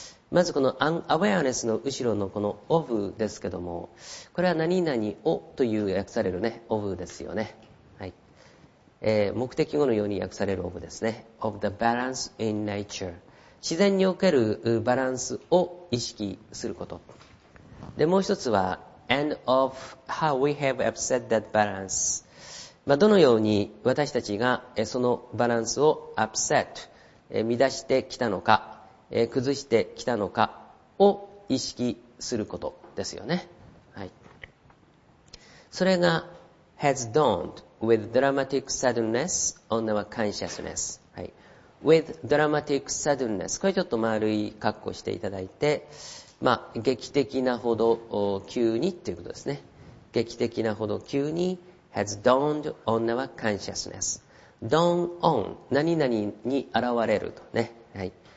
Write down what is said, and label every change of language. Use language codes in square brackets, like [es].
[ja] まずこの unawareness の後ろのこの of ですけども、これは何々をという訳されるね、of ですよね。はい。目的語のように訳される of ですね。 [en] of the balance in nature. [ja] 自然におけるバランスを意識すること。で、もう一つは [en] and of how we have upset that balance. [ja] まあ、どのように私たちがそのバランスを upset、乱してきたのか、崩してきたのかを意識することですよね。はい。それが [en] has dawned with dramatic suddenness on our consciousness。 [ja] はい。 [en] with dramatic suddenness。 [ja] これちょっと丸い括弧していただいて、まあ、劇的なほど急にっていうことですね。劇的なほど急に [en] has dawned on our consciousness. [ja] dawn on, 何々に現れるとね。はい。